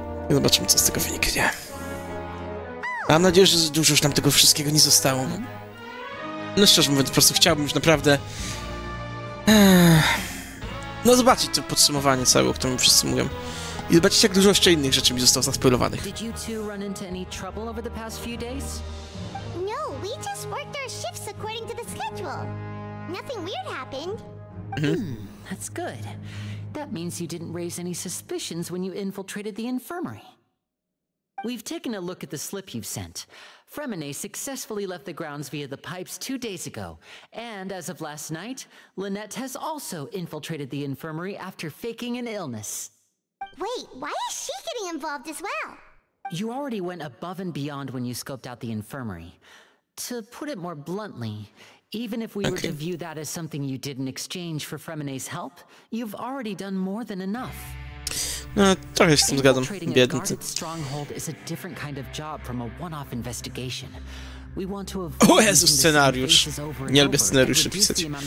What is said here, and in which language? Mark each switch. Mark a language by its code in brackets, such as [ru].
[pl] I zobaczymy, co z tego wyniknie. Mam nadzieję, że dużo już nam tego wszystkiego nie zostało. No szczerze mówiąc, po prostu chciałbym już naprawdę... No zobaczyć to podsumowanie całe, o którym wszyscy mówią. I zobaczyć, jak dużo jeszcze innych rzeczy mi zostało zaspoilowanych. [en] Did you two run into any trouble over the past few days? No, we just worked our shifts according. schedule. Nothing weird happened. That's good. That means you didn't raise any suspicions when you infiltrated the infirmary. We've taken a look at the slip you've sent. Fremenet successfully left the grounds via the pipes 2 days ago. And as of last night, Lynette has also infiltrated the infirmary after faking an illness. Wait, why is she getting involved as well? You already went above and beyond when you scoped out the infirmary. To put it more bluntly, even if we were to view that as something you did in exchange for Fremenet's help, you've already done more than enough. [pl] No, trochę się z tym zgadzam. Biedny. [en] Stronghold is a different kind of job from a one-off investigation. We want to avoid [pl] o Jezus, scenariusz. Nie lubię scenariuszy pisać.